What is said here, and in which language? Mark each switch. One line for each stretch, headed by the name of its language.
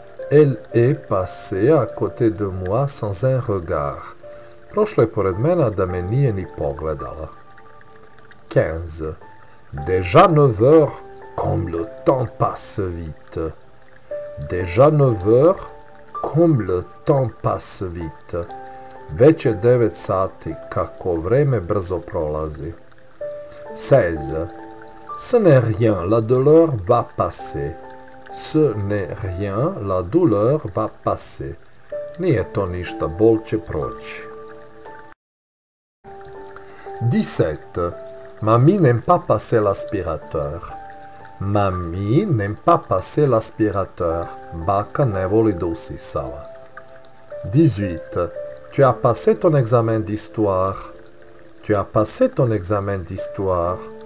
French: Elle est passée à côté de moi sans un regard.
Serbian: Prošla je pored mene da me nije ni pogledala. 15.
French: Déjà 9h, comme le temps passe vite. Déjà 9h, comme le temps passe vite.
Serbian: Već je 9 sati, kako vreme brzo prolazi. 16.
French: Ce n'est rien, la douleur va passer. Ce n'est rien, la douleur va passer.
Serbian: Nije to ništa, bol će proći. 17.
French: Mamie n'aime pas passer l'aspirateur. Mamie n'aime pas passer l'aspirateur.
Serbian: Baka ne voli da usisava. 18.
French: Tu as passé ton examen d'histoire. Tu as passé ton examen d'histoire.